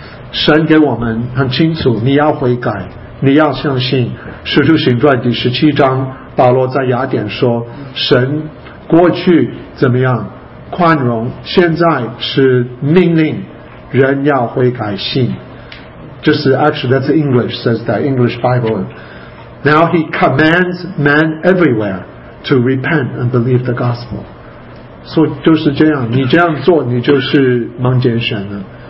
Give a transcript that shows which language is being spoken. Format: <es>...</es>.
<zh>神给我们很清楚，你要悔改，你要相信使徒行传第十七章保罗在雅典说，神过去怎么样宽容，现在是命令人要悔改信。就是</zh> <en>actually that's English says that English Bible. Now he commands men everywhere to repent and believe the gospel.</en> <zh>So 就是这样，你这样做你就是蒙拣选了。</zh>